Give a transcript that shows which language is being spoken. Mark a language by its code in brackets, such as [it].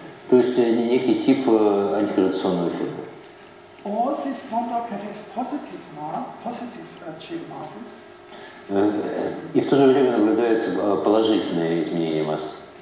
[ru] То есть некий тип антигравитационного эффекта. [en] All these quanta can have positive mass, positive chain masses. [ru] И в то же время наблюдается положительное изменение масс.